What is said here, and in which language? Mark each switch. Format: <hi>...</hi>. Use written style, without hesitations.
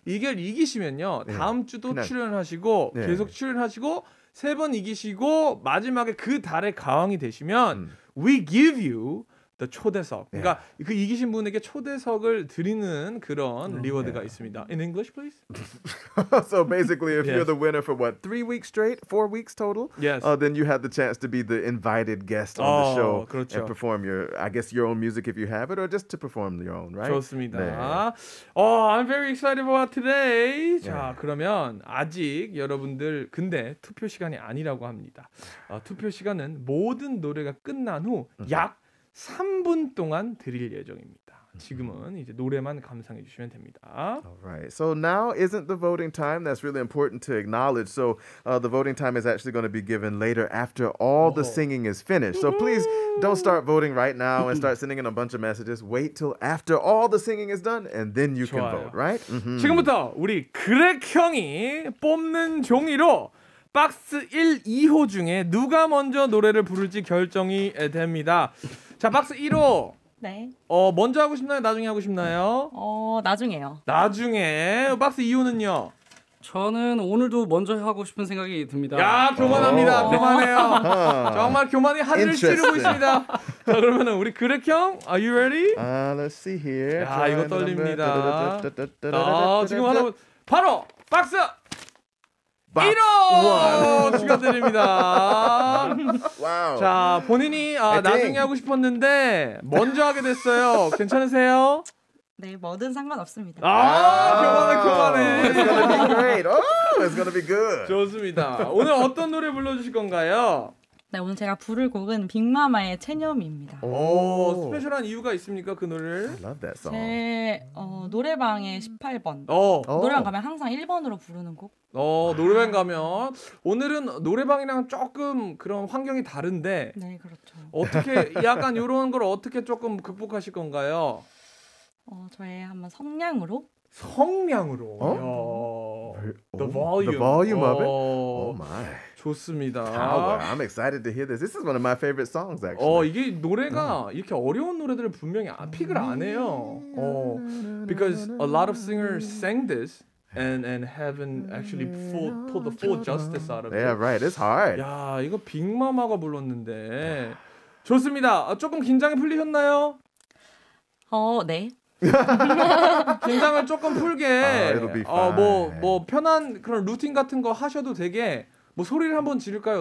<ko>이걸 이기시면요. 네. 다음 주도 그냥... 출연하시고 네. 계속 출연하시고 세 번 이기시고 마지막에 그 달의 가왕이 되시면</ko> <en>we give you the</en> <ko>초대석. 네. 그러니까 그 이기신 분에게 초대석을 드리는 그런 리워드가 네. 있습니다.</ko> <en>In English, please. So basically, if yes. you're the winner for what 3 weeks straight, 4 weeks total, yes. Then you have the chance to be the invited guest on the show</en> <ko>그렇죠.</ko> <en>and perform your, I guess, your own music if you have it, or just to perform your own, right?</en> <ko>좋습니다. 네.</ko> <en>I'm very excited about today.</en> <ko>자, 그러면 아직 여러분들 근데 투표 시간이 아니라고 합니다. 투표 시간은 모든 노래가 끝난 후 약 3분 동안 드릴 예정입니다. 지금은 이제 노래만 감상해 주시면 됩니다.</ko> <en>Alright, so now isn't the voting time. That's really important to acknowledge. So the voting time is actually going to be given later after all the singing is finished. So please don't start voting right now and start sending in a bunch of messages. Wait till after all the singing is done and then you</en> <ko>좋아요.</ko> <en>can vote, right? Mm-hmm.</en> <ko>지금부터 우리 그렉 형이 뽑는 종이로 박스 1, 2호 중에 누가 먼저 노래를 부를지 결정이 됩니다. 자, 박스 1호. 네. 먼저 하고 싶나요? 나중에 하고 싶나요? 나중에요. 나중에. 박스 2호는요? 저는 오늘도 먼저 하고 싶은 생각이 듭니다. 야, 교만합니다. 교만해요. 정말 교만이 하늘을 찌르고 있습니다. 자, 그러면 우리 그렉 형,</ko> <en>are you ready? Let's see here.</en> <ko>야, 이거 떨립니다. 지금 하나, 바로 박스! 1호! 축하드립니다. 와우. 자, 본인이 나중에 하고 싶었는데 먼저 하게 됐어요. 괜찮으세요? 네, 뭐든 상관없습니다. 아, 교만해, 교만해.</ko> <en>It's gonna be great. Oh, it's gonna be good.</en> <ko>좋습니다. 오늘 어떤 노래 불러주실 건가요? 네, 오늘 제가 부를 곡은 빅마마의 체념입니다. 오, 스페셜한 이유가 있습니까, 그 노래를?</ko> <en>I love that song.</en> <ko>제 노래방의 18번. 노래방 가면 항상 1번으로 부르는 곡. 노래방 가면 오늘은 노래방이랑 조금 그런 환경이 다른데. 네, 그렇죠. 어떻게 약간 이런 걸 어떻게 조금 극복하실 건가요? 저의 한번 성량으로. 성량으로.</ko> <en>어? The volume. The volume of it. Oh my.</en> <ko>좋습니다.</ko> <en>Power. I'm excited to hear this. This is one of my favorite songs, actually.</en> <ko>이게 노래가 이렇게 어려운 노래들을 분명히 픽을 안 해요.</ko> <en>Because a lot of singers sang this and haven't actually pulled the full justice out of it. Yeah, right. It's hard.</en> <ko>야, 이거 빅마마가 불렀는데. 좋습니다. 조금 긴장이 풀리셨나요? 네. 긴장을 조금 풀게.</ko> <en>It'll be fine. 뭐</en> <ko>편한 그런 루틴 같은 거 하셔도 되게. 뭐 소리를 한번 지를까요?</ko>